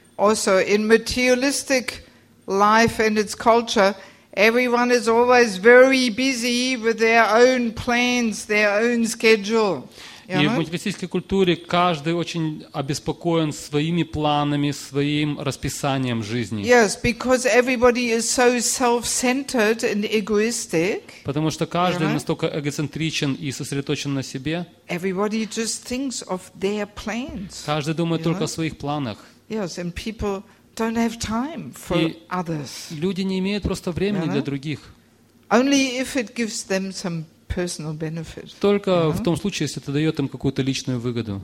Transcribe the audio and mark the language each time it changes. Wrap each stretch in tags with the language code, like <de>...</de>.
<en>Also, in materialistic life and its culture, everyone is always very busy with their own plans, their own schedule.</en> <ru>И в материалистической культуре каждый очень обеспокоен своими планами, своим расписанием жизни.</ru> <en>Yes, because everybody is so self-centered and egoistic.</en> <ru>Потому что каждый настолько эгоцентричен и сосредоточен на себе.</ru> <en>Everybody just thinks of their plans.</en> <ru>Каждый думает только о своих планах.</ru> <en>Yes, and people don't have time for others.</en> <ru>Люди не имеют просто времени для других.</ru> <en>Only if it gives them some personal benefit.</en> <ru>Только в том случае, если это дает им какую-то личную выгоду.</ru>